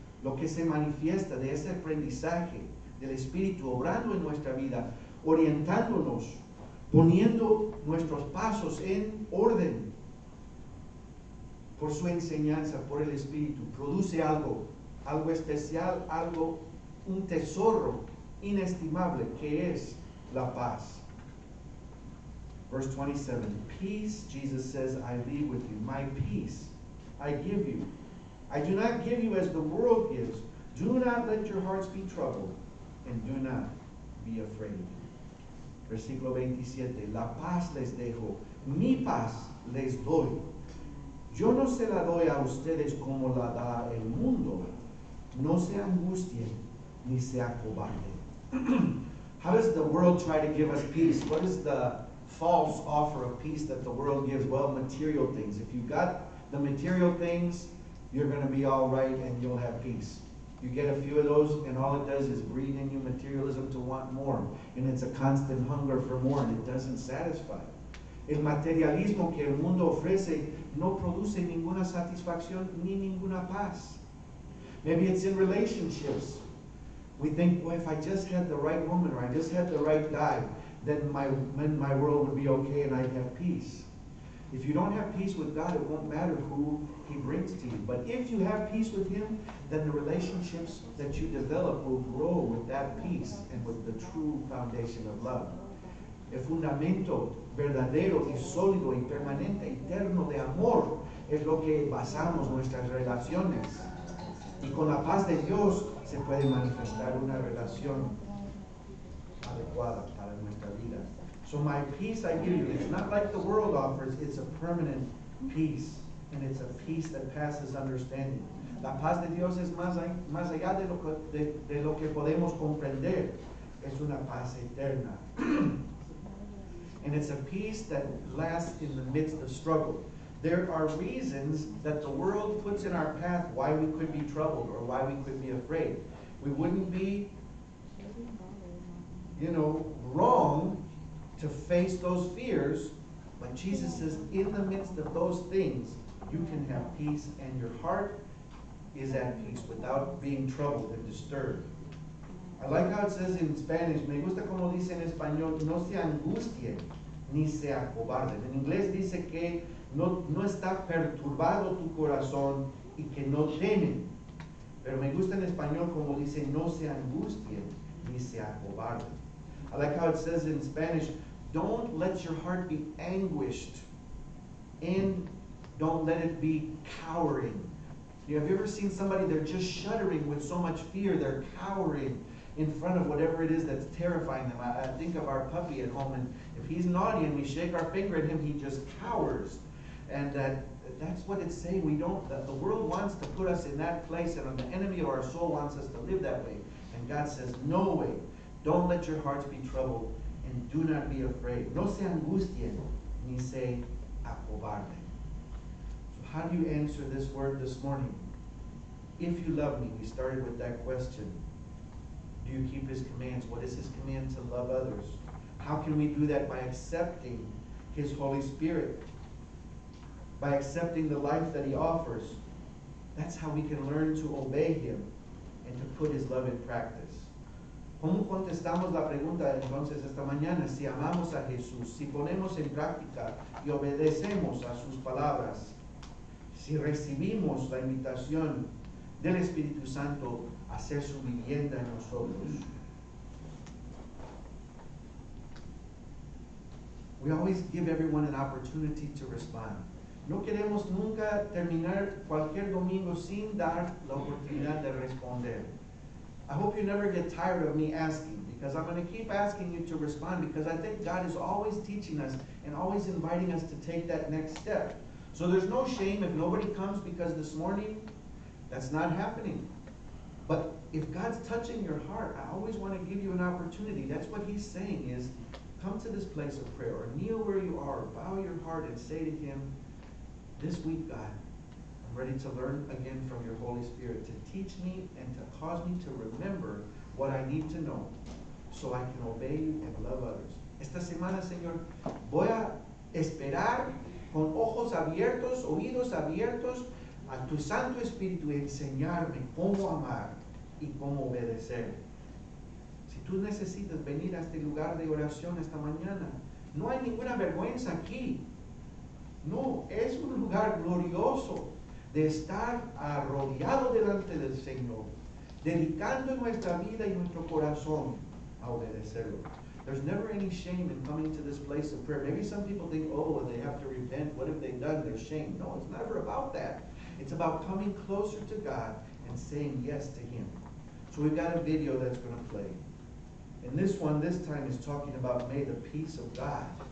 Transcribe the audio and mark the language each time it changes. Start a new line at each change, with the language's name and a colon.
Spanish: Lo que se manifiesta de ese aprendizaje del Espíritu obrando en nuestra vida, orientándonos, poniendo nuestros pasos en orden por su enseñanza, por el Espíritu, produce algo, algo especial, algo, un tesoro inestimable que es la paz.
English: Verse 27, peace, Jesus says, I leave with you. My peace, I give you. I do not give you as the world gives. Do not let your hearts be troubled, and do not be afraid.
Spanish: Versículo 27. La paz les dejo. Mi paz les doy. Yo no se la doy a ustedes como la da el mundo. No se angustien, ni se acobarden.
English: How does the world try to give us peace? What is the false offer of peace that the world gives? Well, material things. If you got the material things, you're going to be all right and you'll have peace. You get a few of those and all it does is breed in you materialism to want more. And it's a constant hunger for more and it doesn't satisfy.
Spanish: El materialismo que el mundo ofrece no produce ninguna satisfacción ni ninguna paz.
English: Maybe it's in relationships. We think, well, if I just had the right woman or I just had the right guy, then my world would be okay and I'd have peace. If you don't have peace with God, it won't matter who he brings to you. But if you have peace with him, then the relationships that you develop will grow with that peace and with the true foundation of love.
Spanish: El fundamento verdadero y sólido y permanente eterno de amor es lo que basamos nuestras relaciones. Y con la paz de Dios se puede manifestar una relación adecuada para nuestra vida.
English: So my peace I give you, it's not like the world offers, it's a permanent peace. And it's a peace that passes understanding.
Spanish: La paz de Dios es más allá de lo que podemos comprender. Es una paz eterna.
English: And it's a peace that lasts in the midst of struggle. There are reasons that the world puts in our path why we could be troubled or why we could be afraid. We wouldn't be, you know, wrong to face those fears, but Jesus says, in the midst of those things, you can have peace and your heart is at peace without being troubled and disturbed. I like how it says in Spanish,
Spanish: me gusta como dice en español, no se angustien ni sea cobarde. En inglés dice que no está perturbado tu corazón y que no teme. Pero me gusta en español como dice, no se angustie ni se acobarde.
English: I like how it says in Spanish, don't let your heart be anguished and don't let it be cowering. You know, have you ever seen somebody, they're just shuddering with so much fear, they're cowering in front of whatever it is that's terrifying them. I think of our puppy at home, and if he's naughty and we shake our finger at him, he just cowers. And that's what it's saying. We don't, that the world wants to put us in that place, and the enemy or our soul wants us to live that way. And God says, no way. Don't let your hearts be troubled, and do not be afraid.
Spanish: No se angustien, ni se acobarde.
English: So how do you answer this word this morning? If you love me, we started with that question. Do you keep his commands? What is his command to love others? How can we do that? By accepting his Holy Spirit. By accepting the life that he offers. That's how we can learn to obey him and to put his love in practice.
Spanish: ¿Cómo contestamos la pregunta entonces esta mañana? Si amamos a Jesús, si ponemos en práctica y obedecemos a sus palabras, si recibimos la invitación del Espíritu Santo a ser su vivienda en nosotros.
English: We always give everyone an opportunity to respond.
Spanish: No queremos nunca terminar cualquier domingo sin dar la oportunidad de responder.
English: I hope you never get tired of me asking, because I'm going to keep asking you to respond, because I think God is always teaching us and always inviting us to take that next step. So there's no shame if nobody comes, because this morning, that's not happening. But if God's touching your heart, I always want to give you an opportunity. That's what he's saying is, come to this place of prayer, or kneel where you are, bow your heart and say to him, this week, God, I'm ready to learn again from your Holy Spirit to teach me and to cause me to remember what I need to know so I can obey you and love others.
Spanish: Esta semana, Señor, voy a esperar con ojos abiertos, oídos abiertos, a tu Santo Espíritu enseñarme cómo amar y cómo obedecer. Si tú necesitas venir a este lugar de oración esta mañana, no hay ninguna vergüenza aquí. No, es un lugar glorioso de estar arrodillado delante del Señor, dedicando nuestra vida y nuestro corazón a obedecerlo.
English: There's never any shame in coming to this place of prayer. Maybe some people think, oh, they have to repent. What have they done? They're shame. No, it's never about that. It's about coming closer to God and saying yes to him. So we've got a video that's going to play. And this one, this time, is talking about May the Peace of God.